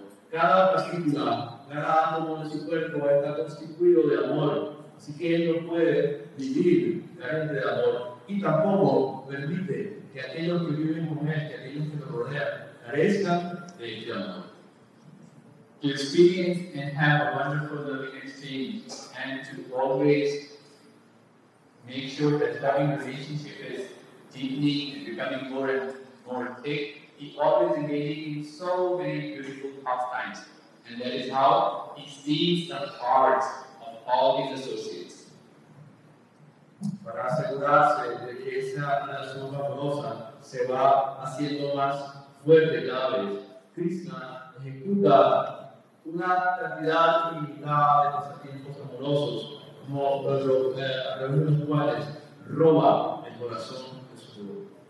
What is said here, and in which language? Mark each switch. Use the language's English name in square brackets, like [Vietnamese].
[Spanish] Cada partícula, cada átomo de su cuerpo está constituido de amor. Así que él no puede vivir carente de amor. Y tampoco permite que aquellos que viven con él, que aquellos que lo rodean, carezcan de este amor. [English] To experience and have a wonderful loving exchange, and to always make sure that loving relationship is deepening and becoming more and more thick, he always engages in so many beautiful pastimes. And that is how he sees the hearts of all his associates. [Spanish] Para asegurarse de que esa relación amorosa se va haciendo más fuerte cada vez, Krishna ejecuta una cantidad ilimitada de pasatiempos amorosos, como algunos cuales roba el corazón de su guru.